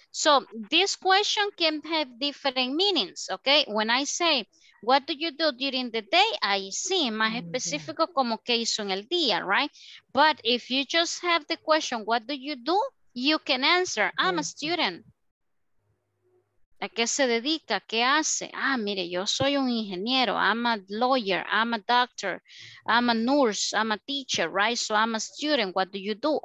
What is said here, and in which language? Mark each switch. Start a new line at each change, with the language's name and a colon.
English: So, this question can have different meanings, ok? When I say, what do you do during the day? I see,
Spanish: más
English: mm-hmm.
Spanish: específico como qué hizo en el día,
English: right? But if you just have the question, what do you do? You can answer, I'm a student.
Spanish: ¿A qué se dedica? ¿Qué hace? Ah, mire, yo soy un ingeniero.
English: I'm a lawyer. I'm a doctor. I'm a nurse. I'm a teacher, right? So I'm a student. What do you do?